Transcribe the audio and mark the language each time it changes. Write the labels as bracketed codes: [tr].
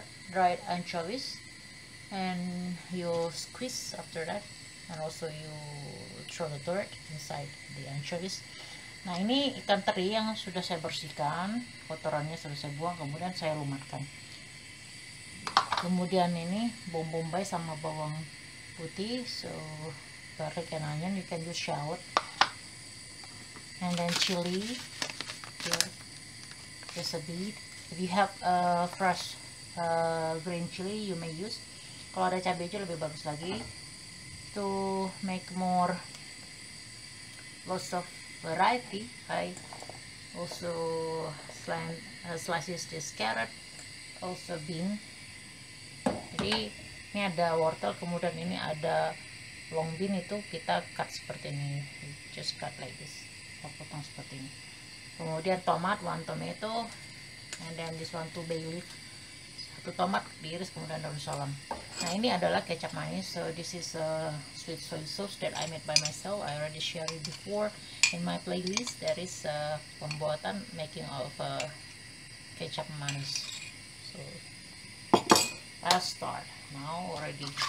[en] Dried anchovies, and you squeeze after that, and also you throw the dirt inside the anchovies. [id] Nah ini ikan teri yang sudah saya bersihkan, kotorannya sudah saya buang, kemudian saya lumatkan. Kemudian ini bawang bombay sama bawang putih, [en] so garlic and onion, you can use shallot, and then chili here, just a bit. If you have fresh green chili, you may use. [id] Kalau ada cabai hijau lebih bagus lagi. [en] To make more lots of variety, I also slices this carrot, also bean. [id] Jadi ini ada wortel, kemudian ini ada long bean, itu kita cut seperti ini, [en] we just cut like this, [id] kita potong seperti ini. Kemudian tomat, [en] one tomato, and then this one two bay leaf. [id] Satu tomat diiris, kemudian daun salam. Nah ini adalah kecap manis. [en] So this is a sweet soy sauce that I made by myself. I already share it before in my playlist. There is a pembuatan making of a kecap manis. So let's start now already.